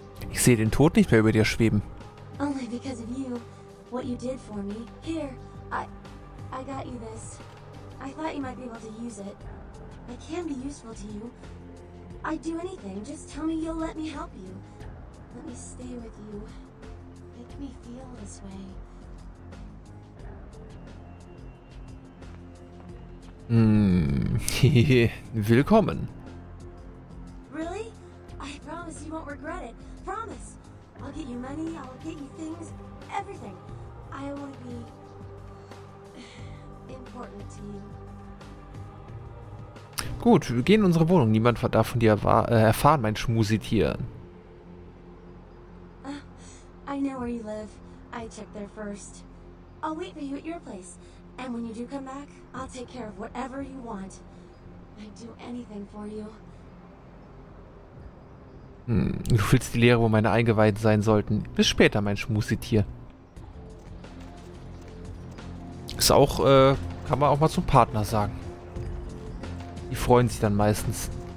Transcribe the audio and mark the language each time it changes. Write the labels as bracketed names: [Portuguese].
[German] Ich sehe den Tod nicht mehr über dir schweben. [English] Only because of you, what you did for me. Here, I got you this. I thought you might be able to use it. I can be useful to you. I'd do anything. Just tell me you'll let me help you. Let me stay with you. Make me feel this way. [German] Willkommen. [English] Really? I promise you won't regret it. Promise. I'll get you money, I'll get you things, everything. I want to be important to you. [German] Gut, wir gehen in unsere Wohnung. Niemand darf von dir erfahren, mein Schmusitier. [English] I know where you live. I checked there first. I'll wait for you at your place. And when you do come back, I'll take care of whatever you want. I'd do anything for you. [German] Du füllst die Leere, wo meine Eingeweide sein sollten. Bis später, mein Schmusitier. Ist auch, kann man auch mal zum Partner sagen. Die freuen sich dann meistens.